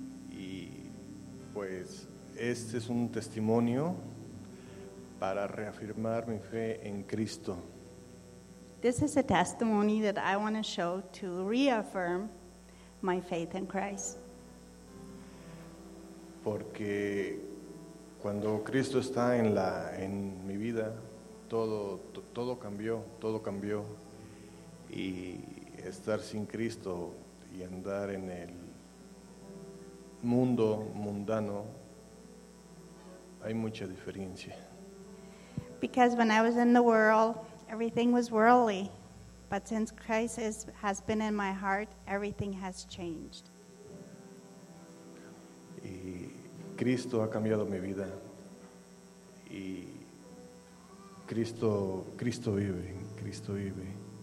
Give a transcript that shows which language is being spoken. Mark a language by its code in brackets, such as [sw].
[es] Y pues este es un testimonio para reafirmar mi fe en Cristo. [en] This is a testimony that I want to show to reaffirm my faith in Christ. [es] Porque cuando Cristo está en la en mi vida, todo cambió. Y estar sin Cristo y andar en el mundo mundano, hay mucha diferencia. [en] Because when I was in the world, everything was worldly. But since Christ has been in my heart, everything has changed. [es] Y Cristo ha cambiado mi vida. Y Cristo vive.